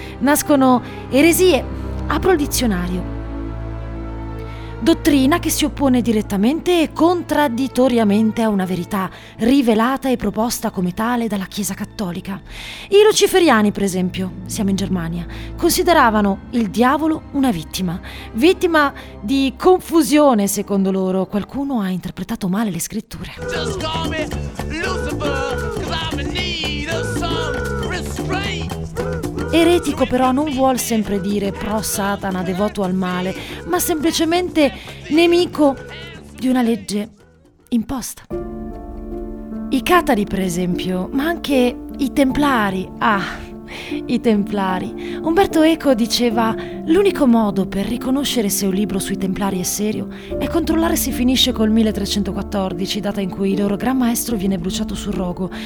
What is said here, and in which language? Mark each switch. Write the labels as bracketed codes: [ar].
[it] Nascono eresie. Apro il dizionario. Dottrina che si oppone direttamente e contraddittoriamente a una verità rivelata e proposta come tale dalla Chiesa Cattolica. I luciferiani, per esempio, siamo in Germania, consideravano il diavolo una vittima. Vittima di confusione, secondo loro. Qualcuno ha interpretato male le scritture. [en] Just call me Lucifer, 'cause I'm in need of some restraint. [it] Eretico però non vuol sempre dire pro Satana, devoto al male, ma semplicemente nemico di una legge imposta. I catari, per esempio, ma anche i templari. Ah, i templari. Umberto Eco diceva: l'unico modo per riconoscere se un libro sui templari è serio è controllare se finisce col 1314, data in cui il loro gran maestro viene bruciato sul rogo.